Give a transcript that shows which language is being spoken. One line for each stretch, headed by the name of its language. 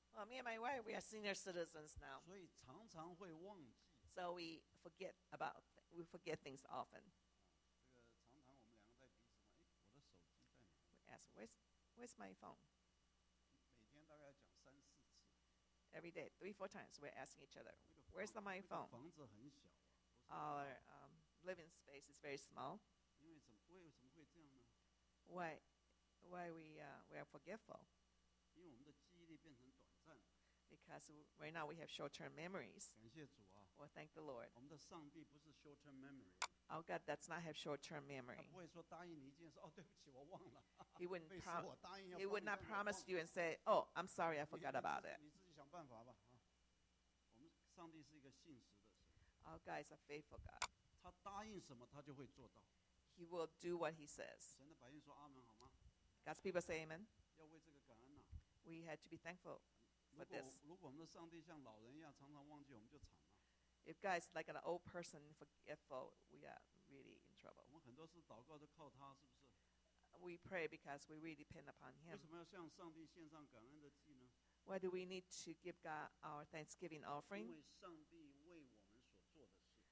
English: Me and my wife, we are senior citizens now.
Chinese: 所以常常会忘记。
English: So we forget about we forget things often.
Chinese: 这个常常我们两个在彼此问，哎，我的手机在哪？
English: We ask, where's my phone?
Chinese: 每天大概要讲三四次。
English: Every day, 3-4 times, we're asking each other, where's my phone?
Chinese: 房子很小啊，不是。Our
English: living space is very small.
Chinese: 因为怎么会这样呢？
English: Why we are forgetful?
Chinese: 因为我们的记忆力变成短暂。
English: Because right now we have short-term memories.
Chinese: 感谢主啊,
English: well, thank the Lord.
Chinese: 我们的上帝不是
English: short-term memory. Our God does not have short-term memory.
Chinese: 他不会说答应你一件事，哦，对不起，我忘了。
English: He wouldn't promise.
Chinese: 我答应要。
English: He would not promise you and say, "Oh, I'm sorry, I forgot about it."
Chinese: 你自己想办法吧。啊，我们上帝是一个信实的神。
English: Our God is a faithful God.
Chinese: 他答应什么，他就会做到。
English: He will do what He says.
Chinese: 神的百姓说阿门好吗？
English: God's people say Amen.
Chinese: 要为这个感恩啊。
English: We had to be thankful.
Chinese: 如果我们的上帝像老人一样常常忘记，我们就惨了。If
English: God is like an old person forgetful, we are really in trouble.
Chinese: 我们很多事祷告都靠他，是不是
English: we pray because we really depend upon him.
Chinese: 为什么要向上帝献上感恩的祭呢？
English: Why do we need to give God our thanksgiving offering?
Chinese: 因为上帝为我们所做的事。